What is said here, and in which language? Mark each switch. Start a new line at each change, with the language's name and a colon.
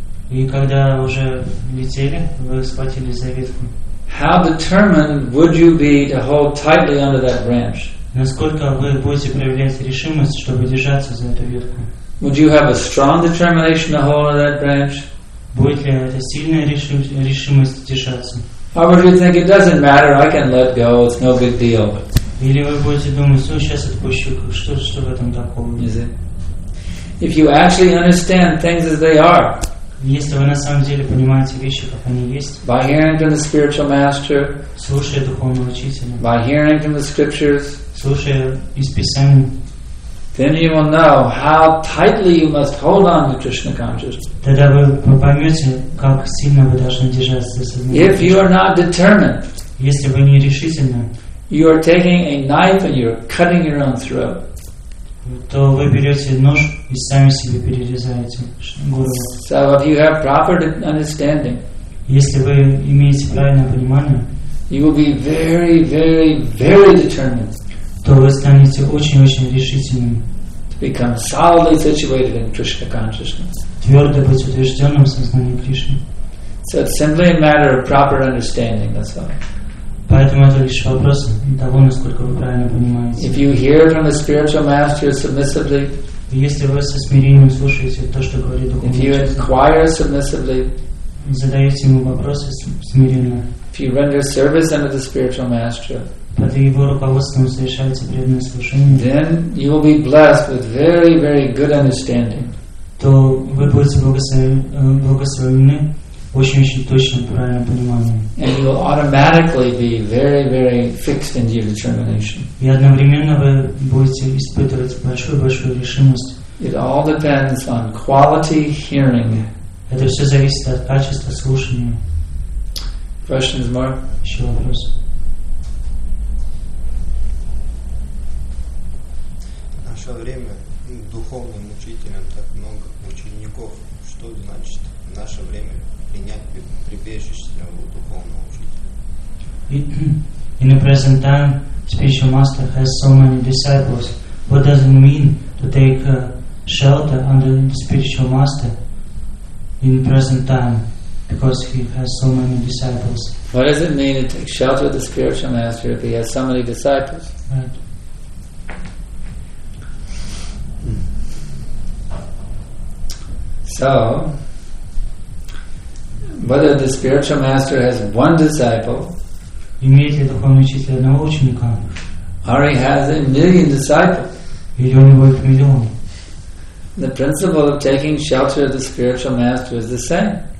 Russian: И когда уже летели, вы схватились за ветку.
English: How determined would you be to hold tightly under that branch?
Russian: Насколько вы будете проявлять решимость, чтобы держаться за эту ветку?
English: Would you have a strong determination to hold on that branch?
Russian: Будет ли это сильная решимость утешаться?
English: Or would you think, it doesn't matter, I can let go, it's no big deal?
Russian: Или вы будете думать, ну сейчас отпущу, что в этом такого?
English: Is it? If you actually understand things as they are,
Russian: если вы на самом деле понимаете вещи, как они есть,
English: by hearing from the spiritual master,
Russian: слушая духовного учителя,
English: by hearing from the scriptures,
Russian: слушая из писаний,
English: then you will know how tightly you must hold on to Krishna consciousness.
Russian: Тогда вы поймете, как сильно вы должны держаться за Кришну.
English: If you are not determined,
Russian: если вы не решительны,
English: you are taking a knife and you are cutting your own throat.
Russian: То вы берете нож и сами себе перерезаете горло.
English: So if you have proper understanding,
Russian: если вы имеете правильное понимание,
English: you will be very, very, very determined.
Russian: То вы станете очень-очень решительным.
English: To become solidly situated in Krishna consciousness.
Russian: Твердо быть утвержденным в сознании Кришны.
English: So it's simply a matter of proper understanding, that's all.
Russian: Поэтому это лишь вопрос того, насколько вы правильно понимаете.
English: If you hear from the spiritual master submissively,
Russian: если вы со смирением слушаете то, что говорит духовный учитель,
English: if you inquire submissively,
Russian: задаете ему вопросы смиренно,
English: if you render service under the spiritual master,
Russian: под его руководством совершаете преданное слушание,
English: then you will be blessed with very, very good understanding.
Russian: То вы будете благословлены очень-очень точным правильным пониманием.
English: And you will automatically be very, very fixed in your determination.
Russian: И одновременно вы будете испытывать большую-большую решимость.
English: It all depends on quality hearing.
Russian: Это все зависит от качества слушания.
English: Questions more?
Russian: Еще вопрос. В наше время духовным учителям так много учеников. Что значит в наше время
English: In the present time, spiritual master has so many disciples. What does it mean to take shelter under the spiritual master in the present time? Because he has so many disciples. What does it mean to take shelter of the spiritual master if he has so many disciples? Right. So, whether the spiritual master has one disciple,
Russian: имеет ли духовный учитель одного ученика,
English: or he has a million disciples,
Russian: или у него их миллион,
English: the principle of taking shelter of the spiritual master is the same.